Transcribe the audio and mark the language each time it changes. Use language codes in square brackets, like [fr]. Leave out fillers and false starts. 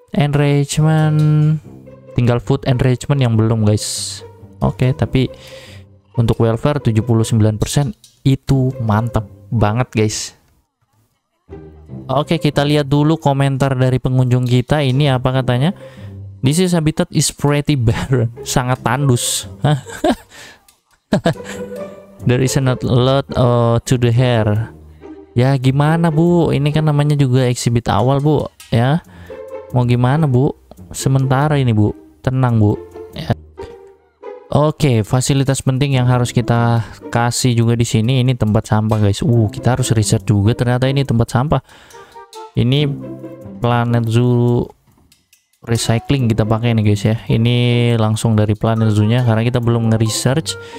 [id] Enrichment, tinggal food enrichment yang belum, guys. Oke, tapi untuk welfare 79% itu mantap banget, guys. Oke, kita lihat dulu komentar dari pengunjung kita ini apa katanya. [en] This is habitat is pretty barren, [id] sangat tandus. [en] There is not a lot to the hair. [id] Ya gimana bu, ini kan namanya juga exhibit awal bu, ya mau gimana bu, sementara ini bu, tenang bu ya. Oke, fasilitas penting yang harus kita kasih juga di sini, ini tempat sampah guys. Kita harus riset juga ternyata ini tempat sampah, ini Planet Zoo recycling kita pakai nih guys ya, ini langsung dari Planet Zoo nya karena kita belum nge-research.